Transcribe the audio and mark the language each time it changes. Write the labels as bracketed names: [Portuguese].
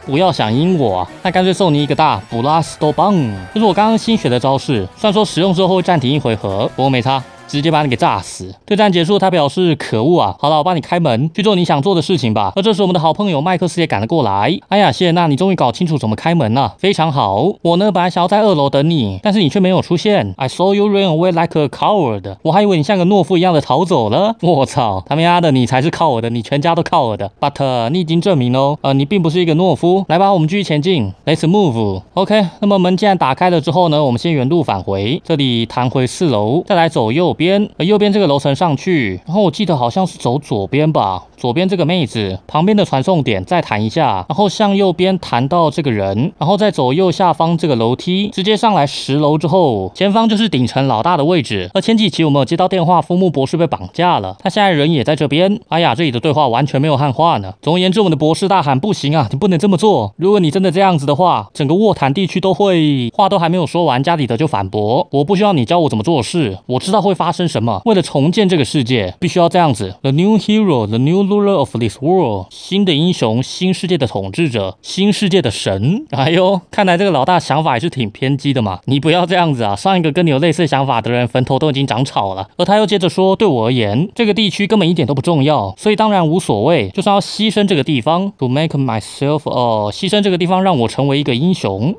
[Chinese] 不要想阴我，那干脆送你一个大 Blast Bomb， 这是我刚刚新学的招式，虽然说使用之后会暂停一回合，不过没差，直接把你给炸死。对战结束，他表示可恶啊，好了，我帮你开门，去做你想做的事情吧。而这时我们的好朋友麦克斯也赶了过来。哎呀，谢娜，你终于搞清楚怎么开门了，非常好。我呢本来想要在二楼等你，但是你却没有出现。 [English] I saw you run away like a coward， [Chinese] 我还以为你像个懦夫一样的逃走了。我操，他们丫的，你才是靠我的，你全家都靠我的。 [English] But [Chinese] 你已经证明了你并不是一个懦夫。来吧，我们继续前进， [English] Let's move。 [Chinese] OK， 那么门既然打开了之后呢，我们先原路返回这里，弹回四楼，再来走右边右边这个楼层上去，然后我记得好像是走左边吧，左边这个妹子旁边的传送点再弹一下，然后向右边弹到这个人，然后再走右下方这个楼梯，直接上来十楼之后，前方就是顶层老大的位置。而前几期我们有接到电话，枫木博士被绑架了，他现在人也在这边。哎呀，这里的对话完全没有汉化呢。总而言之，我们的博士大喊，不行啊，你不能这么做，如果你真的这样子的话，整个沃坦地区都会……话都还没有说完，加里德就反驳，我不需要你教我怎么做事，我知道会发生什么，为了重建这个世界必须要这样子。 [English] The new hero, the new ruler of this world， [Chinese] 新的英雄，新世界的统治者，新世界的神。哎呦，看来这个老大想法还是挺偏激的嘛。你不要这样子啊，上一个跟你有类似想法的人坟头都已经长草了。而他又接着说，对我而言这个地区根本一点都不重要，所以当然无所谓，就算要牺牲这个地方 [English] to make myself [Chinese] 牺牲这个地方让我成为一个英雄。